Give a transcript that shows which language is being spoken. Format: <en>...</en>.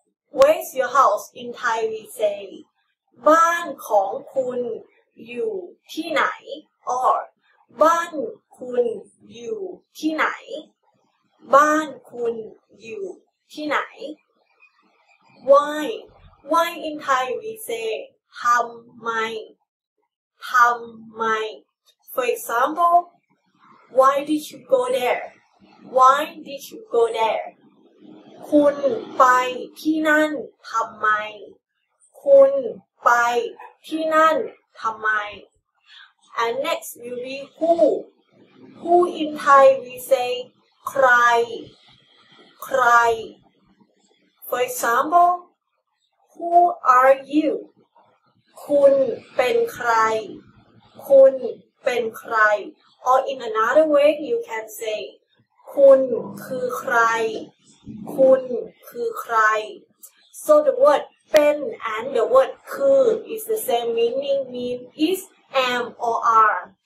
<en>Where is your house? In Thai we say</en> <th>บ้านของคุณอยู่ที่ไหน</th> <en>Or</en> <th>บ้านคุณอยู่ที่ไหนบ้านคุณอยู่ที่ไหน</th> <en>Why? Why in Thai we say</en> <th>ทำไมทำไม</th> <en>For example, why did you go there? Why did you go there?</en> <th>คุณไปที่นั่นทำไมคุณไปที่นั่นทำไม</th> <en>And next will be who. Who in Thai we say</en> <th>ใครใคร</th> <en>For example, who are you?</en> <th>คุณเป็นใครคุณเป็นใคร</th> <en>or in another way you can say</en> <th>คุณคือใครคุณคือใคร</th> <en>so the word เป็น and the word คือ is the same meaning mean is am or are</en>